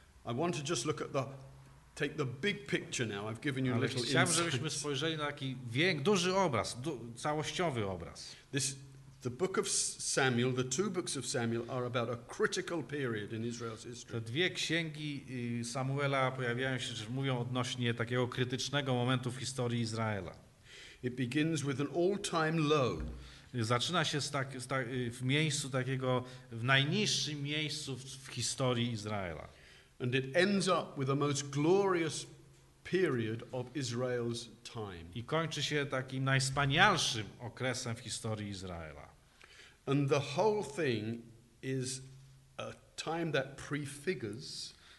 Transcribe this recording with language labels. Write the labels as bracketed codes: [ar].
[en] I want to just look at take the big picture now. I've given you a little insight. [pl] Chciałbym, żebyśmy spojrzeli na taki duży obraz, całościowy obraz. [en] The book of Samuel, the two books of Samuel are about a critical period in Israel's history. [pl] Te dwie księgi Samuela pojawiają się, że mówią odnośnie takiego krytycznego momentu w historii Izraela. [en] It begins with an all-time low. [pl] Zaczyna się w miejscu takiego, w najniższym miejscu w historii Izraela. [en] And it ends up with a most glorious period of Israel's time. [pl] I kończy się takim najwspanialszym okresem w historii Izraela. [en] And the whole thing is a time that prefigures